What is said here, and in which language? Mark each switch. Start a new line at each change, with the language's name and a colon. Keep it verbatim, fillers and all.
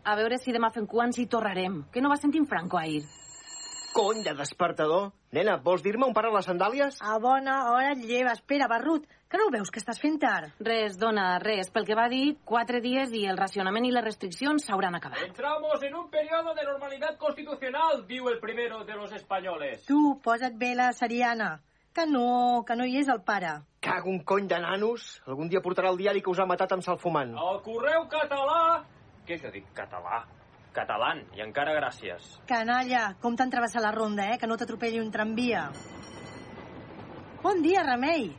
Catalan: A veure si demà fem cuans i torrarem, que no va sentir en Franco ahir. Cony de despertador. Nena, vols dir-me on paren les sandàlies? A bona hora et lleves, Pere Barrut. Que no ho veus, que estàs fent tard? Res, dona, res. Pel que va dir, quatre dies i el racionament i les restriccions s'hauran acabat.
Spanish: Entramos en un período de normalidad constitucional, diu el primero de los españoles.
Catalan: Tu, posa't bé la seriana. Que no, que no hi és el pare. Cago un cony de nanos. Algun dia portarà el diari que us ha matat amb salfumant. El correu català... Què jo dic català? Catalán, i encara gràcies. Canalla, com t'han travessat la ronda, eh? Que no t'atropelli un tramvia. Bon dia, Remei.